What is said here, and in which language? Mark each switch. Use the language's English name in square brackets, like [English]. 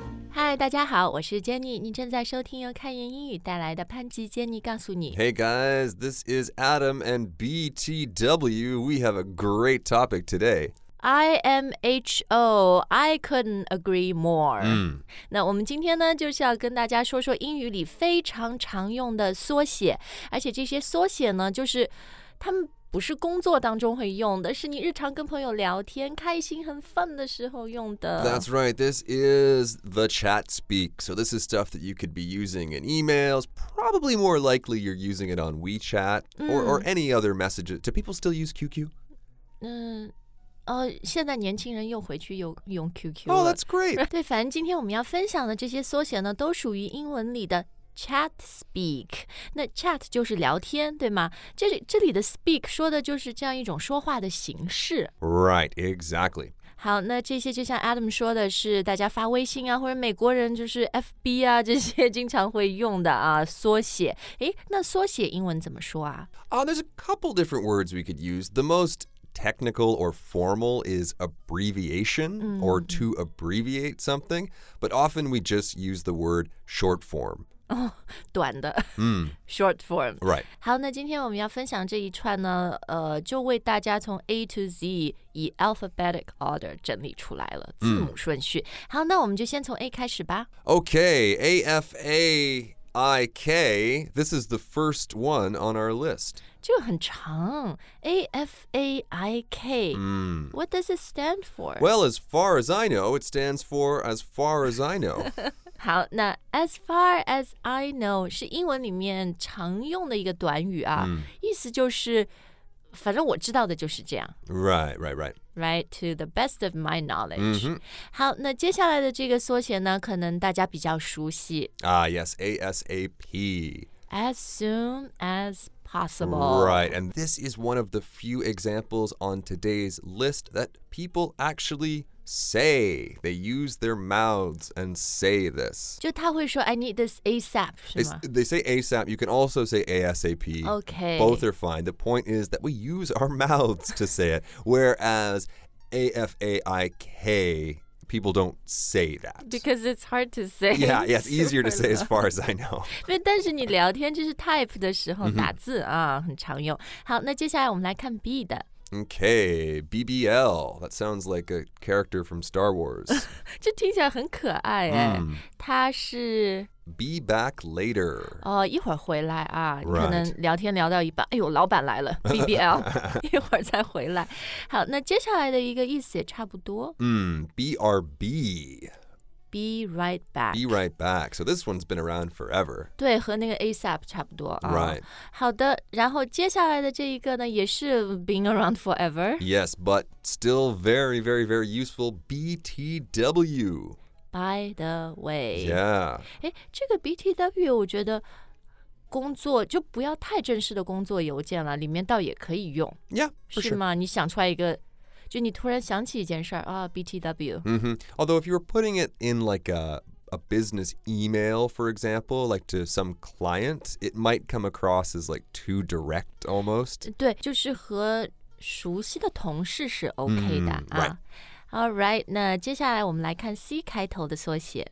[Chinese] 嗨，大家好，我是 Jenny， 你正在收听由看言英语带来的潘吉 Jenny 告诉你。 [English] Hey guys, this is Adam and BTW. We have a great topic today. IMHO, I couldn't agree more. [Chinese] 那我们今天呢，就是要跟大家说说英语里非常常用的缩写，而且这些缩写呢，就是他们不是工作当中会用的，是你日常跟朋友聊天开心很 fun 的时候用的。 [English] That's right. This is the chat speak. So this is stuff that you could be using in emails. Probably more likely you're using it on WeChat or any other messages. Do people still use QQ? [Chinese] 现在年轻人又回去用 QQ [English] 了。Oh, that's great. [Chinese] 对，反正今天我们要分享的这些缩写呢，都属于英文里的Chat speak， 那 chat 就是聊天，对吗？这里的 speak 说的就是这样一种说话的形式。 [English] Right, exactly. [Chinese] 好，那这些就像 Adam 说的是大家发微信啊，或者美国人就是 FB 啊，这些经常会用的啊缩写。诶，那缩写英文怎么说啊？ [English] There's a couple different words we could use. The most technical or formal is abbreviation or to abbreviate something, but often we just use the word short form. [Chinese] 短的short form. [English] Right. [Chinese] 好，那今天我们要分享这一串呢，就为大家从 A to Z 以 [English] alphabetic order [Chinese] 整理出来了，字母顺序。好，那我们就先从 A 开始吧。 [English] Okay, A-F-A-I-K, this is the first one on our list. [Chinese] 就很长 [English] A-F-A-I-K, what does it stand for? Well, as far as I know, it stands for as far as I know. [Chinese] 好，那 as far as I know 是英文里面常用的一个短语啊，意思就是反正我知道的就是这样。 [English] Right, right, right. Right, to the best of my knowledge. [Chinese] 好，那接下来的这个缩写呢，可能大家比较熟悉。 [English] Yes, ASAP. As soon as possible. Right, and this is one of the few examples on today's list that people actually... say. They use their mouths and say this. [Chinese] 就他会说 [English] I need this ASAP, [Chinese] 是吗？ [English] They say ASAP. You can also say ASAP. Okay. Both are fine. The point is that we use our mouths to say it, whereas A-F-A-I-K, people don't say that. Because it's hard to say. Yeah, yeah, it's easier to say as far as I know. [Chinese] 但是你聊天就是 type 的时候打字啊，很常用。好，那接下来我们来看 B 的。 [English] Okay, BBL. That sounds like a character from Star Wars. [Chinese] 这听起来很可爱哎。他是 [English] Be back later. [Chinese] 一会儿回来啊。 [English] Right. [Chinese] 可能聊天聊到一半，哎呦，老板来了 ，BBL， 一会儿再回来。好，那接下来的一个意思也差不多。 [English] BRB. Be right back. Be right back. So this one's been around forever. [Chinese] 对，和那个 ASAP 差不多。 [English] Right. [Chinese] 好的，然后接下来的这一个呢，也是 [English] being around forever. Yes, but still very, very, very useful. BTW. By the way. Yeah. [Chinese] 这个 BTW 我觉得工作就不要太正式的工作邮件了，里面倒也可以用。 [English] Yeah, [Chinese] 是吗？你想出来一个。就你突然想起一件事儿啊 ，BTW。 [English] Although if you were putting it in like a business email, for example, like to some client, it might come across as like too direct almost. [Chinese] 对，就是和熟悉的同事是 OK 的啊。 [English] Right. All right, [Chinese] 那接下来我们来看 C 开头的缩写。